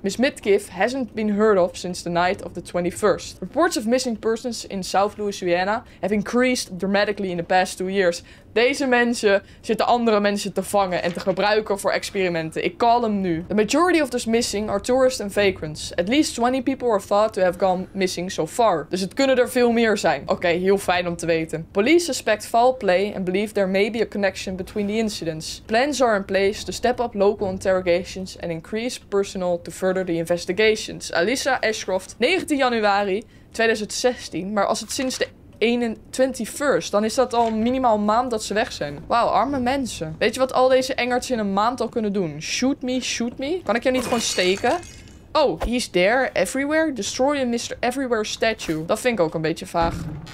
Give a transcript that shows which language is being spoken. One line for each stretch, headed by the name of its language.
English: Miss Midkiff hasn't been heard of since the night of the 21st. Reports of missing persons in South Louisiana have increased dramatically in the past 2 years.
Dutch: Deze mensen zitten andere mensen te vangen en te gebruiken voor experimenten. Ik call hem nu.
English: The majority of those missing are tourists and vagrants. At least 20 people are thought to have gone missing so far.
Dutch: Dus het kunnen er veel meer zijn. Oké, heel fijn om te weten.
English: Police suspect foul play and believe there may be a connection between the incidents. Plans are in place to step up local interrogations and increase personnel to further the investigations.
Dutch: Alyssa Ashcroft, 19 januari 2016. Maar als het sinds de 21st, dan is dat al minimaal een maand dat ze weg zijn. Wauw, arme mensen. Weet je wat al deze engertjes in een maand al kunnen doen?
English: Shoot me, shoot me.
Dutch: Kan ik jou niet gewoon steken?
English: Oh, he's there everywhere. Destroy a Mr.
Dutch: Everywhere statue. Dat vind ik ook een beetje vaag.